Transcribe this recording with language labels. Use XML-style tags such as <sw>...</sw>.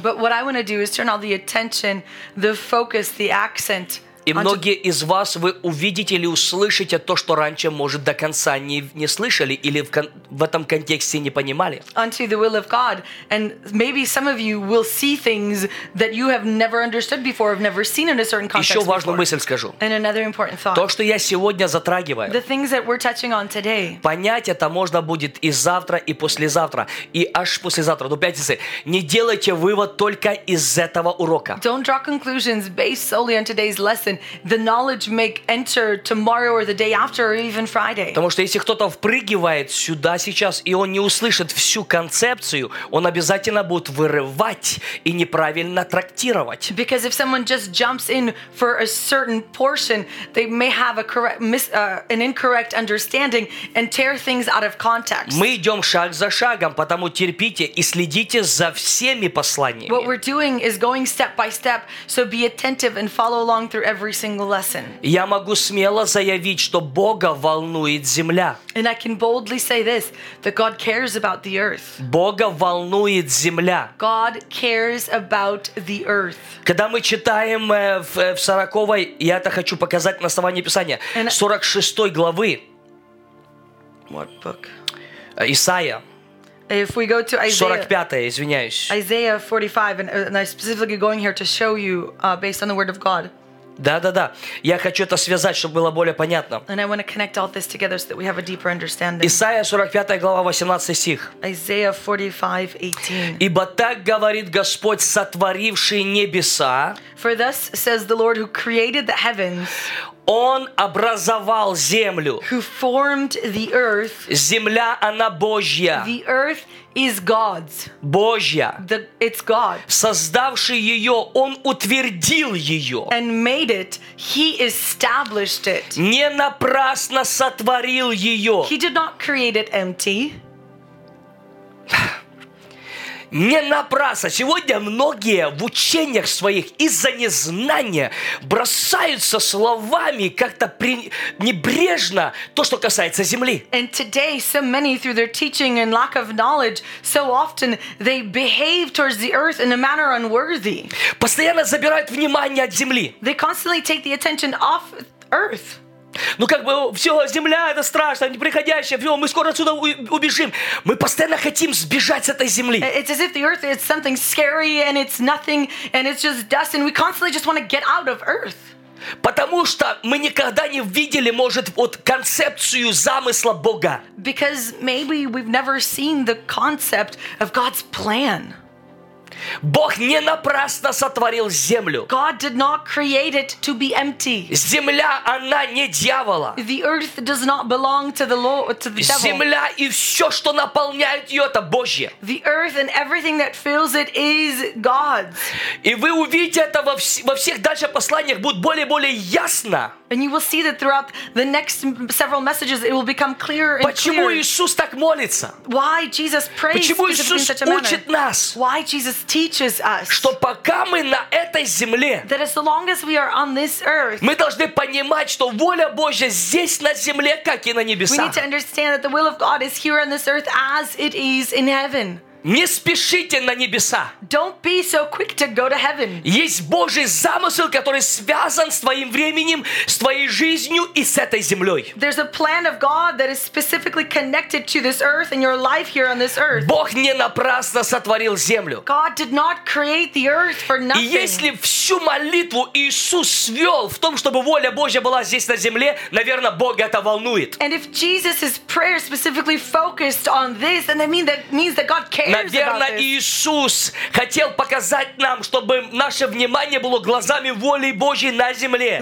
<en>But what I want to do is turn all the attention, the focus, the accent.</en> <ru>И многие из вас, вы увидите или услышите то, что раньше, может, до конца не слышали или в этом контексте не понимали.</ru> <en>Unto the will of God. And maybe some of you will see things that you have never understood before, have never seen in a certain context.</en> <ru>Еще важную мысль скажу.</ru> <en>And another important thought.</en> <ru>То, что я сегодня затрагиваю.</ru> <en>The things that we're touching on today.</en> <ru>Понять это можно будет и завтра, и послезавтра, и аж послезавтра, до пятницы. Не делайте вывод только из этого урока.</ru> <en>Don't draw conclusions based solely on today's lesson. And the knowledge may enter tomorrow or the day after or even Friday.</en> <ru>Потому что если кто-то впрыгивает сюда сейчас и он не услышит всю концепцию, он обязательно будет вырывать и неправильно трактировать.</ru> <en>Because if someone just jumps in for a certain portion, they may have a correct an incorrect understanding and tear things out of context.</en> <ru>Мы идем шаг за шагом, потому терпите и следите за всеми посланиями.</ru> <en>What we're doing is going step by step, so be attentive and follow along through everything. every single lesson.</en> <ru>Я могу смело заявить, что Бога волнует земля.</ru> <en>And I can boldly say this, that God cares about the earth.</en> <ru>Бога волнует земля.</ru> <en>God cares about the earth.</en> <ru>Когда мы читаем в 40-й, я это хочу показать на основании Писания, 46-й главы.</ru> <en>What book?</en> <ru>Исаия.</ru> <en>If we go to Isaiah,</en> <ru>45-е, извиняюсь.</ru> <en>Isaiah 45, and I'm specifically going here to show you based on the word of God.</en> <ru>Да-да-да. Я хочу это связать, чтобы было более понятно.</ru> <en>And I want to connect all this together so that we have a deeper understanding.</en> <ru>Исаия 45, глава 18 стих.</ru> <en>Isaiah 45, 18.</en> <ru>Ибо так говорит Господь, сотворивший небеса.</ru> <en>For thus says the Lord who created the heavens.</en> <ru>Он образовал землю.</ru> <en>Who formed the earth.</en> <ru>Земля, она Божья.</ru> <en>The earth is God's.</en> <ru>Божья.</ru> <en>The, it's God.</en> <ru>Создавший ее, Он утвердил ее.</ru> <en>And made it. He established it.</en> <ru>Не напрасно сотворил ее.</ru> <en>He did not create it empty.</en> <ru>Не напрасно. Сегодня многие в учениях своих из-за незнания бросаются словами как-то небрежно то, что касается земли.</ru> <en>And today, so many through their teaching and lack of knowledge, so often they behave towards the earth in a manner unworthy.</en> <ru>Постоянно забирают внимание от земли.</ru> <en>They constantly take the attention off earth.</en> <ru>Ну как бы все, земля это страшно, неприходящее, все, мы скоро отсюда убежим. Мы постоянно хотим сбежать с этой земли.</ru> <en>It's as if the earth is something scary and it's nothing and it's just dust and we constantly just want to get out of earth.</en> <ru>Потому что мы никогда не видели, может, вот концепцию замысла Бога.</ru> <en>Because maybe we've never seen the concept of God's plan.</en> <ru>Бог не напрасно сотворил землю.</ru> <en>God did not create it to be empty.</en> <ru>Земля, она не дьявола.</ru> <en>The earth does not belong to the Lord, to the devil.</en> <ru>Земля и все, что наполняет ее, это Божье.</ru> <en>The earth and everything that fills it is God's.</en> <ru>И вы увидите это во всех дальше посланиях будет более-более ясно.</ru> <en>And you will see that throughout the next several messages, it will become clearer and</en> <ru>Почему</ru> <en>clearer.</en> <ru>Иисус так молится?</ru> <en>Why Jesus prays</en> <ru>Почему Иисус</ru> <en>in such a manner?</en> <ru>Учит нас?</ru> <en>Why Jesus teaches us?</en> <ru>Что пока мы на этой земле,</ru> <en>that as long as we are on this earth,</en> <ru>мы должны понимать, что воля Божья здесь на земле, как и на небесах.</ru> <en>We need to understand that the will of God is here on this earth as it is in heaven.</en> <ru>Не спешите на небеса.</ru> <en>Don't be so quick to go to heaven.</en> <ru>Есть Божий замысел, который связан с твоим временем, с твоей жизнью и с этой землей.</ru> <en>There's a plan of God that is specifically connected to this earth and your life here on this earth.</en> <ru>Бог не напрасно сотворил землю.</ru> <en>God did not create the earth for nothing.</en> <ru>И если всю молитву Иисус свел в том, чтобы воля Божья была здесь на земле, наверное, Бога это волнует.</ru> <en>And if Jesus's prayer specifically focused on this, then that means that God cares.</en> <ru>Наверное, Иисус хотел показать нам, чтобы наше внимание было глазами воли Божьей на земле.</ru>